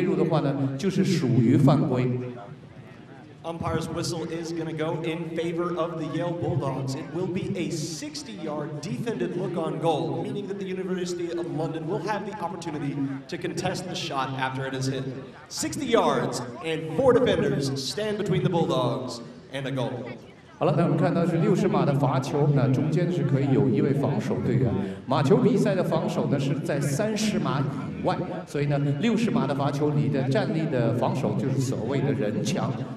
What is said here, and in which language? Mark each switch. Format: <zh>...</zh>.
<zh>好了，那么看到这边呢，有邵毅详情的马球比赛的犯规呢，基本上是在路线的选择。当击球队员打出去的球滚动的路线，这就是击球路线。而最有击球权的，就是在这个路线的后方。那如果在球的后方小于45度切入，你是可以有权去打这个球。但是如果在前方大于45度切入的话呢，就是属于犯规。</zh> <en>Umpire's whistle is going to go in favor of the Yale Bulldogs. It will be a 60-yard defended look on goal, meaning that the University of London will have the opportunity to contest the shot after it is hit. 60 yards and four defenders stand between the Bulldogs and a goal.</en> <zh>好了，那我们看到是60码的罚球，那中间是可以有一位防守队员。马球比赛的防守呢是在30码以外，所以呢60码的罚球，你的站立的防守就是所谓的人墙。</zh>